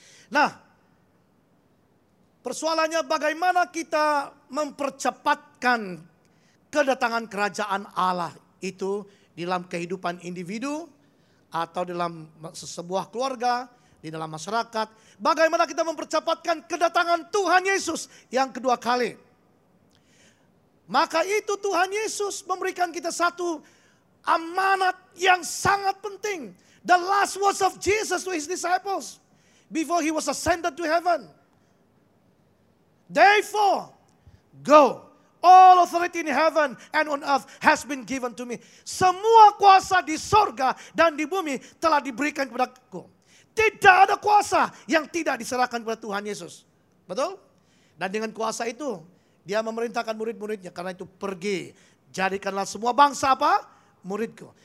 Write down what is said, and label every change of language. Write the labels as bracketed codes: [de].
[id] Nah, persoalannya bagaimana kita mempercepatkan kedatangan kerajaan Allah itu di dalam kehidupan individu atau dalam sebuah keluarga, di dalam masyarakat. Bagaimana kita mempercepatkan kedatangan Tuhan Yesus yang kedua kali. Maka itu Tuhan Yesus memberikan kita satu amanat yang sangat penting. [en] The last words of Jesus to his disciples before he was ascended to heaven. Therefore, go. All authority in heaven and on earth has been given to me. [id] Semua kuasa di sorga dan di bumi telah diberikan kepada aku. Tidak ada kuasa yang tidak diserahkan kepada Tuhan Yesus. Betul? Dan dengan kuasa itu, dia memerintahkan murid-muridnya. Karena itu pergi, jadikanlah semua bangsa apa? Muridku.